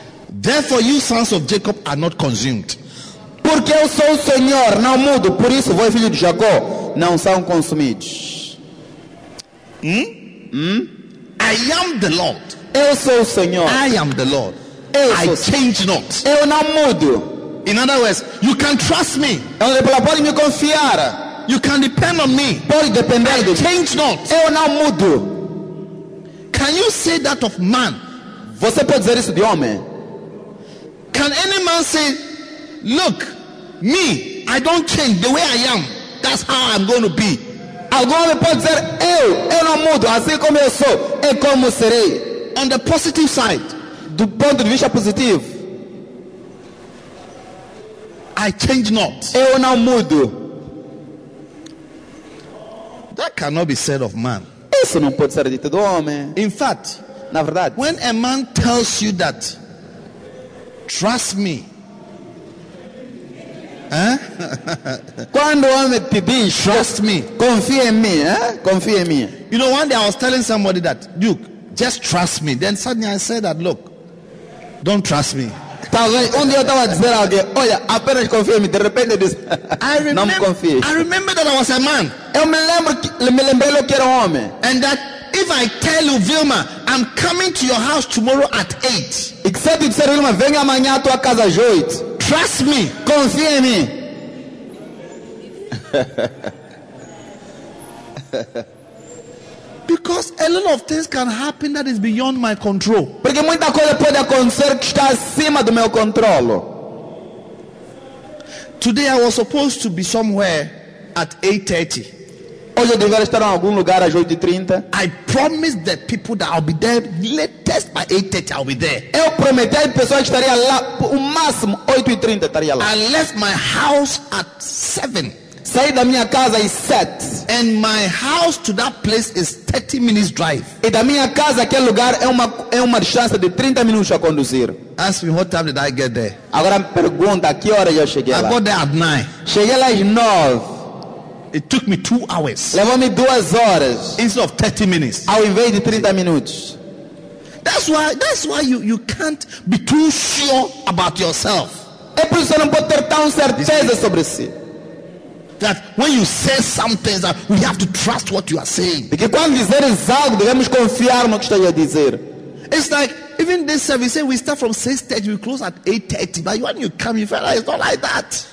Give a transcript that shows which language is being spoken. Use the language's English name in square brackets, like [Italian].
[English] Therefore, you sons of Jacob are not consumed. [Portuguese] Porque eu sou o Senhor, não mudo. Por isso, vós filhos de Jacó, não são consumidos. [English] I am the Lord. [Portuguese] Eu sou o Senhor. [English] I am the Lord. [Portuguese] Eu [English] I change not. [Portuguese] Eu não mudo. [English] In other words, you can trust me. [Portuguese] Ele pode me confiar. [English] You can depend on me. [Portuguese] Pode depender. [English] I change not. [Portuguese] Eu não mudo. [English] Can you say that of man? [Portuguese] Você pode dizer isso de homem? [English] Can any man say, look, me, I don't change the way I am. That's how I'm going to be. [Portuguese] Algum homem pode dizer, eu não mudo, assim como eu sou, é como serei. [English] On the positive side, [Portuguese] do ponto de vista positivo, [English] I change not. [Portuguese] Eu não mudo. [English] That cannot be said of man. [Portuguese] Isso não pode ser dito do homem. [English] In fact, [Portuguese] na verdade, [English] when a man tells you that, trust me, [Portuguese] quando o homem te diz, [English] trust me, [Portuguese] confia em mim, confia em mim. [English] You know, one day I was telling somebody that, Duke, just trust me. Then suddenly I said that, look, don't trust me. [Portuguese] Talvez um dia eu estava dizendo alguém, olha, apenas confia em mim. De repente diz, não me confie. [English] I remember that I was a man. [Portuguese] Eu me lembro que era homem. [English] And that if I tell you, Vilma, I'm coming to your house tomorrow at 8. Except if said, [Portuguese] Vilma, venha amanhã à tua casa às 8. [English] Trust me. [Portuguese] Confia em mim. [English] Because a lot of things can happen that is beyond my control. [Portuguese] Porque muita coisa pode acontecer que está acima do meu controle. [English] Today I was supposed to be somewhere at 8:30. [Portuguese] Hoje eu deveria estar em algum lugar às 8:30. [English] I promised the people that I'll be there latest by 8:30. I'll be there. [Portuguese] Eu prometi às pessoas que estaria lá o máximo 8:30 estaria lá. [English] I left my house at 7. [Portuguese] saí da minha casa e sete. [English] And my house to that place is 30 minutes drive. [Portuguese] E da minha casa aquele lugar é uma distância de 30 minutos a conduzir. [English] Ask me what time did I get there? [Portuguese] Agora me pergunta que hora eu cheguei lá. [English] I got there at 9. [Portuguese] Cheguei lá às 9. [English] It took me 2 hours. [Portuguese] Levou-me 2 horas. [English] Instead of 30 minutes. [Portuguese] Ao invés de 30 minutos. [English] That's why you can't be too sure about yourself. [Portuguese] É por isso que você não pode ter tão certeza sobre si. [English] That when you say something, that we have to trust what you are saying. [Portuguese] Porque quando dizeres algo, devemos confiar no que está a dizer. [English] It's like even this service, we start from 6:30, we close at 8:30. But when you come, you feel like it's not like that.